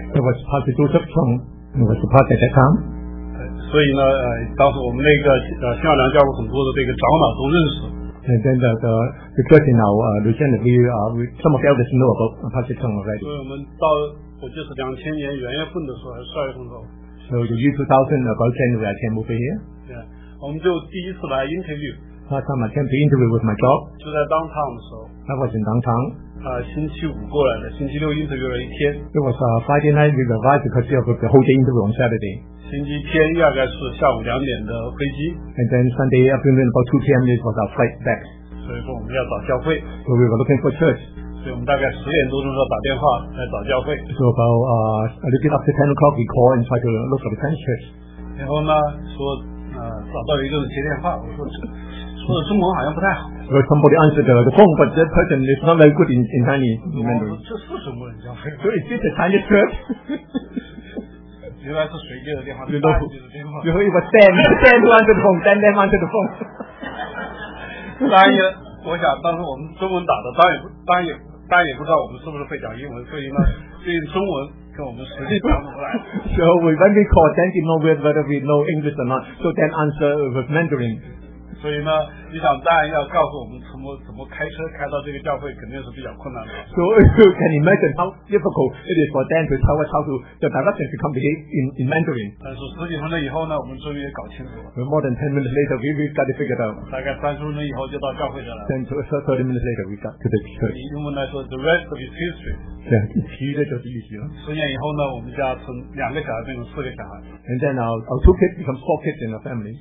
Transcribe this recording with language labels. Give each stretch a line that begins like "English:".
English: That was Pastor Joseph Chung, who was the pastor at that time.
Chinese: 所以呢，当时我们那个新奥良教会很多的这个长老都认识。
English: And then the church in our Louisiana, some of the elders know about Pastor Chung already.
Chinese: 所以我们到我就是2000年元月份的时候，还是12月份的时候。
English: So the year 2000, about January, I came over here.
Chinese: Yeah. 我们就第一次来 interview.
English: Last time I came to interview with my job.
Chinese: 就在 downtown 的时候。
English: That was in downtown.
Chinese: 星期五过来的，星期六 interview 了一天。
English: It was Friday night. We arrived because of the whole day interview on Saturday.
Chinese: 星期天大概是下午两点的飞机。
English: And then Sunday afternoon about 2 p.m. is our flight back.
Chinese: 所以说我们要找教会。
English: So we were looking for church.
Chinese: 所以我们大概十点多钟的时候打电话来找教会。
English: So about a little bit after 10 o'clock, we call and try to look for the French church.
Chinese: 然后呢，说找到一个人接电话，我说说的中文好像不太好。
English: So somebody answered the phone, but that person is not very good in Chinese. Remember? So is this a Chinese church?
Chinese: 原来是谁接的电话？你都不接电话。然后一个
English: Sam who answered the phone, Sam answered the phone.
Chinese: 当然，我想当时我们中文打的，当然也不知道我们是不是会讲英文，所以呢，所以中文。
English: So we when we call, then we know whether we know English or not. So then answer with Mandarin. So, you can imagine how difficult it is for them to tell us how to the direction to come in Mandarin. But more than 10 minutes later, we got it figured out.
Chinese: 大概三十分钟以后就到教会了。
English: Then 30 minutes later, we got to the church.
Chinese: 以英文来说,
English: the rest of his history.
Chinese: Yeah, 其余的就是历史了。十年以后呢，我们家从两个小孩变成四个小孩。
English: And then our two kids become four kids in the family.